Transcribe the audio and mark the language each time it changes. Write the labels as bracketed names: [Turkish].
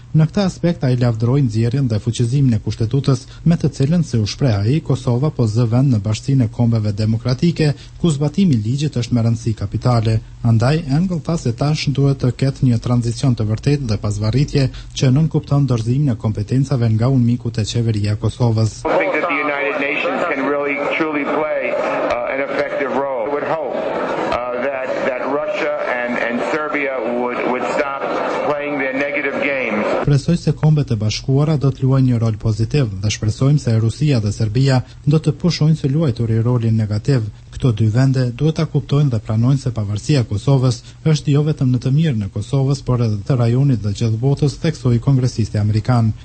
[Albanian] Në këtë aspekt ai lavdroi nxjerrjen dhe fuqizimin e kushtetutës, me të cilën si u shpreh ai, Kosova po zë vend në bashkinë e kombeve demokratike, ku zbatimi i ligjit është me rëndësi kapitale. Andaj Engel tha se tash duhet të ketë një tranzicion të vërtetë dhe pasvarritje që nën kupton dorëzimin e kompetencave nga UNMIK-u të qeveri. [English] I think that the United Nations can really truly play an effective role. I would hope that Russia and Serbia would stop playing their negative games. [Albanian] Presoj se kombet e bashkuara do të luajnë një rol pozitiv dhe shpresojmë se Rusia dhe Serbia do të pushojnë së luajturi rolin negativ. Këto dy vende duhet ta kuptojnë dhe pranojnë se pavarësia e Kosovës është jo vetëm në të mirën e Kosovës, por edhe të rajonit dhe gjithë botës, theksoi kongresisti amerikan.